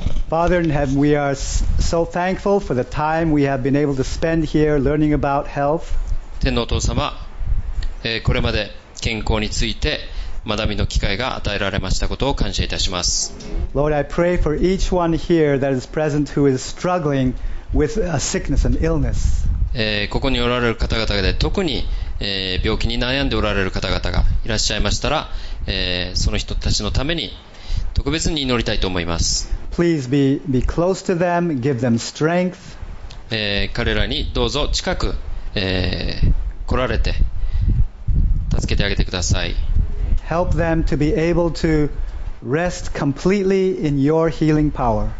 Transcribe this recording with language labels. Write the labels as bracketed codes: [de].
[en] Father in heaven, we are so thankful for the time we have been able to spend here learning about health. [ja] 天のお父様、これまで健康について学びの機会が与えられましたことを感謝いたします。 [en] Lord, I pray for each one here that is present who is struggling with a sickness and illness. [ja] ここにおられる方々で特に、病気に悩んでおられる方々がいらっしゃいましたら、その人たちのために特別に祈りたいと思います。 [en] Please be close to them, give them strength. [ja] 彼らにどうぞ近く、来られて助けてあげてください。 [en] Help them to be able to rest completely in your healing power.